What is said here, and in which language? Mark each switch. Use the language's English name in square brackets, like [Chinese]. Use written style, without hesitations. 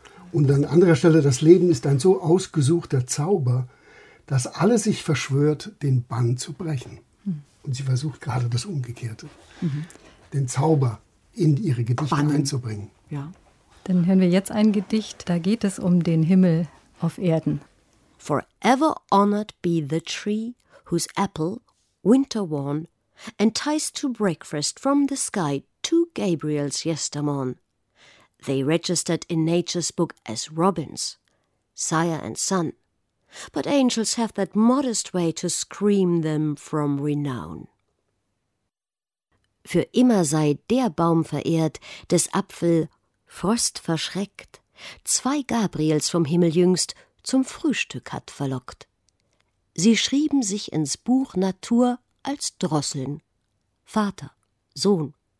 [German] Und an anderer Stelle, das Leben ist ein so ausgesuchter Zauber, dass alles sich verschwört, den Bann zu brechen. Und sie versucht gerade das Umgekehrte, den Zauber in ihre Gedichte einzubringen. Ja. Dann hören wir jetzt ein Gedicht, da geht es um den Himmel auf Erden. [English] Forever honored be the tree, whose apple, winter-worn, enticed to breakfast from the sky two Gabriels yestermorn. They registered in nature's book as robins, sire and son, but angels have that modest way to scream them from renown. [German] Für immer sei der Baum verehrt, des Apfel Frost verschreckt, zwei Gabriels vom Himmel jüngst zum Frühstück hat verlockt. Sie schrieben sich ins Buch Natur als Drosseln, Vater, Sohn.